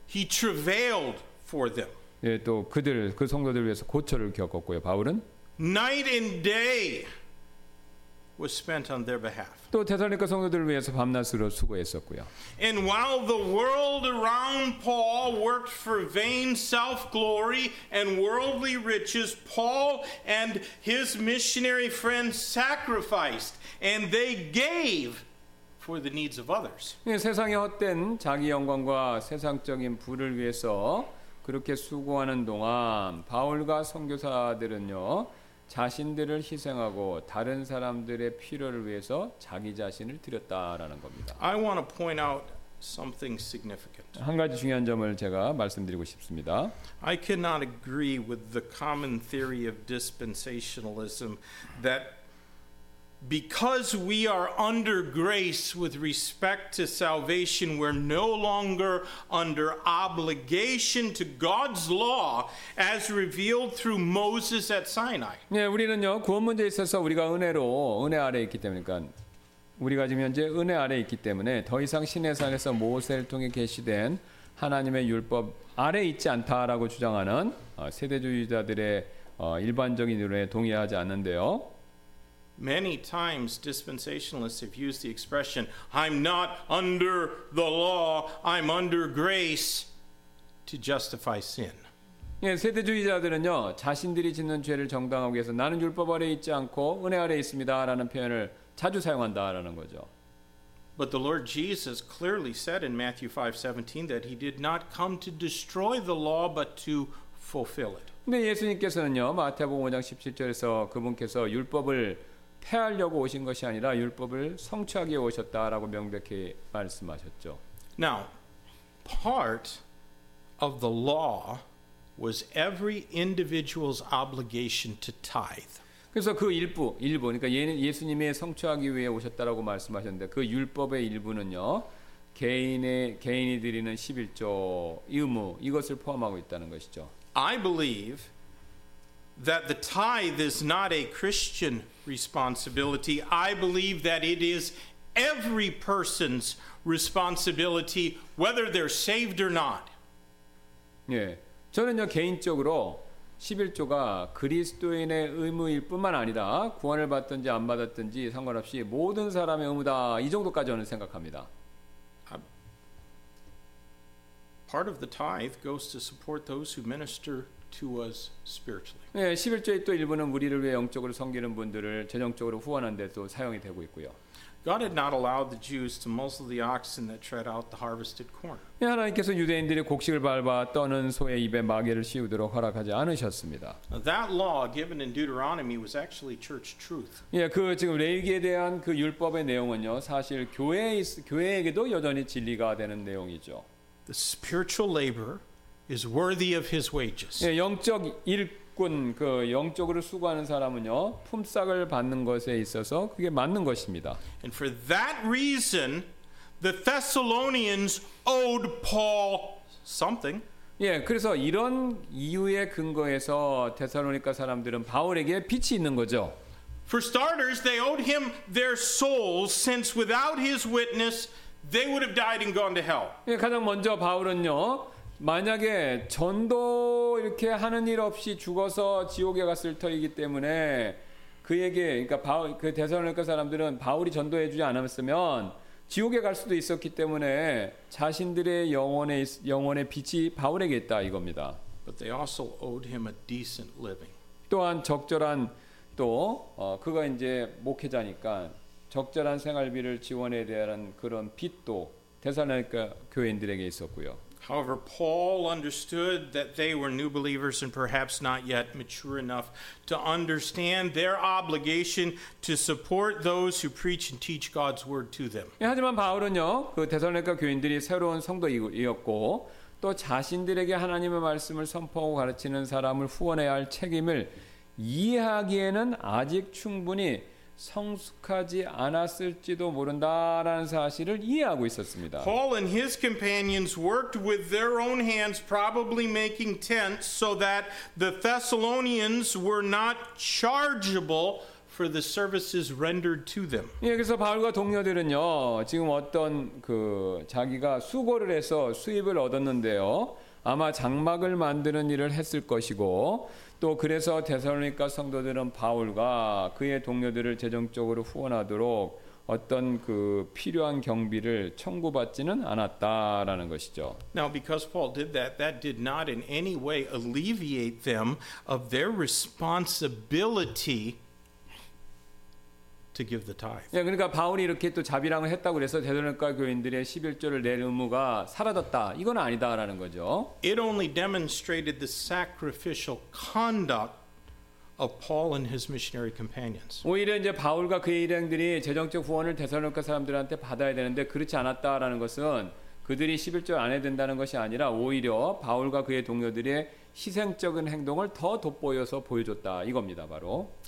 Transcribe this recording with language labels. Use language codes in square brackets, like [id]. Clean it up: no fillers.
[en] He travailed for them. [ko] 예, 또 그들 그 성도들 위해서 고초를 겪었고요. 바울은 [en] night and day was spent on their behalf. [ko] 또 데살로니가 성도들을 위해서 밤낮으로 수고했었고요. [en] And while the world around Paul worked for vain self-glory and worldly riches, Paul and his missionary friends sacrificed and they gave for the needs of others. [ko] 예, 세상의 헛된 자기 영광과 세상적인 부를 위해서 그렇게 수고하는 동안 바울과 선교사들은요, 자신들을 희생하고 다른 사람들의 필요를 위해서 자기 자신을 드렸다라는 겁니다. [en] I want to point out something significant. [ko] 한 가지 중요한 점을 제가 말씀드리고 싶습니다. [en] I cannot agree with the common theory of dispensationalism that because we are under grace with respect to salvation, we're no longer under obligation to God's law as revealed through Moses at Sinai. [ko] 네, 우리는요 구원 문제에 있어서 우리가 은혜로 은혜 아래 있기 때문에 우리가 지금 현재 은혜 아래 있기 때문에 더 이상 시내산에서 모세를 통해 계시된 하나님의 율법 아래 있지 않다라고 주장하는 세대주의자들의 일반적인 의론에 동의하지 않는데요. [en] Many times dispensationalists have used the expression I'm not under the law, I'm under grace to justify sin. [ko] 예, 세대주의자들은요, 자신들이 짓는 죄를 정당화하기 위해서 나는 율법 아래 있지 않고 은혜 아래 있습니다라는 표현을 자주 사용한다라는 거죠. [en] But the Lord Jesus clearly said in Matthew 5:17 that he did not come to destroy the law but to fulfill it. [ko] 근데 예수님께서는요, 마태복음 5장 17절에서 그분께서 율법을 폐하려고 오신 것이 아니라 율법을 성취하기 위해 오셨다라고 명백히 말씀하셨죠. [en] Now, part of the law was every individual's obligation to tithe. [ko] 그래서 그 일부 그러니까 예수님의 성취하기 위해 오셨다라고 말씀하셨는데 그 율법의 일부는요. 개인이 드리는 십일조 의무 이것을 포함하고 있다는 것이죠. [en] I believe that the tithe is not a Christian responsibility. I believe that it is every person's responsibility, whether they're saved or not. [ko] 예, 저는요 개인적으로 십일조가 그리스도인의 의무일 뿐만 아니라 구원을 받든지 안 받았든지 상관없이 모든 사람의 의무다. 이 정도까지 저는 생각합니다. [en] Part of the tithe goes to support those who minister to us spiritually. [ko] 네, 십일조의 또 일부는 우리를 위해 영적으로 섬기는 분들을 재정적으로 후원하는 데도 사용이 되고 있고요. [en] God had not allowed the Jews to muzzle the oxen that tread out the harvested corn. [ko] 예, 하나님께서 유대인들이 곡식을 밟아 떠는 소의 입에 마개를 씌우도록 허락하지 않으셨습니다. [en] That law given in Deuteronomy was actually church truth. [ko] 예, 그 지금 레위기에 대한 그 율법의 내용은요, 사실 교회에게도 여전히 진리가 되는 내용이죠. [en] The spiritual labor is worthy of his wages. [ko] 예, 영적 일 그 영적으로 수고하는 사람은요 품삯을 받는 것에 있어서 그게 맞는 것입니다. [en] And for that reason, the Thessalonians owed Paul something. [ko] 예, 그래서 이런 이유의 근거에서 데살로니가 사람들은 바울에게 빚이 있는 거죠. [en] For starters, they owed him their souls, since without his witness, they would have died and gone to hell. [ko] 예, 가장 먼저 바울은요. 만약에 전도 이렇게 하는 일 없이 죽어서 지옥에 갔을 터이기 때문에 그에게 그러니까 바울 그 데살로니가 사람들은 바울이 전도해 주지 않았으면 지옥에 갈 수도 있었기 때문에 자신들의 영혼의 빚이 바울에게 있다 이겁니다. [en] But they also owed him a decent living. [ko] 또한 적절한 또 그가 이제 목회자니까 적절한 생활비를 지원해 대한 그런 빚도 데살로니가 교인들에게 있었고요. [en] However, Paul understood that they were new believers and perhaps not yet mature enough to understand their obligation to support those who preach and teach God's word to them. [ko] 예, 하지만 바울은요, 그 데살로니가 교인들이 새로운 성도이었고 또 자신들에게 하나님의 말씀을 선포하고 가르치는 사람을 후원해야 할 책임을 이해하기에는 아직 충분히 성숙하지 않았을지도 모른다라는 사실을 이해하고 있었습니다. [en] Paul and his companions worked with their own hands, probably making tents so that the Thessalonians were not chargeable for the services rendered to them. [ko] 예, 그래서 바울과 동료들은요, 지금 어떤 그 자기가 수고를 해서 수입을 얻었는데요, 아마 장막을 만드는 일을 했을 것이고. 또 그래서 데살로니가 성도들은 바울과 그의 동료들을 재정적으로 후원하도록 어떤 그 필요한 경비를 청구받지는 않았다라는 것이죠. [en] Now because Paul did that, that did not in any way alleviate them of their responsibility to give the tithe. [ko] 예, 그러니까 바울이 이렇게 또 자비랑을 했다고 그래서 데살로니가 교인들의 십일조를 낼 의무가 사라졌다. 이건 아니다라는 거죠. [en] It only demonstrated the sacrificial conduct of Paul and his missionary companions. [ko] 오히려 이제 바울과 그의 일행들이 재정적 후원을 데살로니가 사람들한테 받아야 되는데 그렇지 않았다라는 것은 그들이 십일조를 안 해야 된다는 것이 아니라 오히려 바울과 그의 동료들의 희생적인 행동을 더 돋보여서 보여줬다 이겁니다 바로.